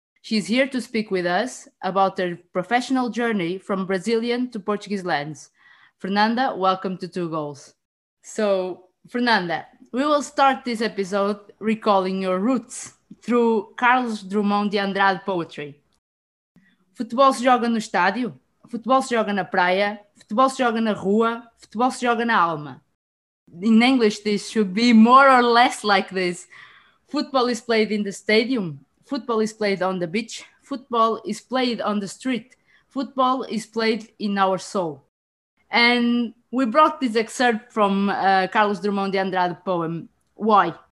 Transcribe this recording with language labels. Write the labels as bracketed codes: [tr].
[en] She's here to speak with us about her professional journey from Brazilian to Portuguese lands. Fernanda, welcome to Two Goals. So, Fernanda, we will start this episode recalling your roots through Carlos Drummond de Andrade poetry. [pt] Futebol se joga no estádio, futebol se joga na praia, futebol se joga na rua, futebol se joga na alma. [en] In English, this should be more or less like this. Football is played in the stadium. Football is played on the beach. Football is played on the street. Football is played in our soul. And we brought this excerpt from Carlos Drummond de Andrade poem. Why?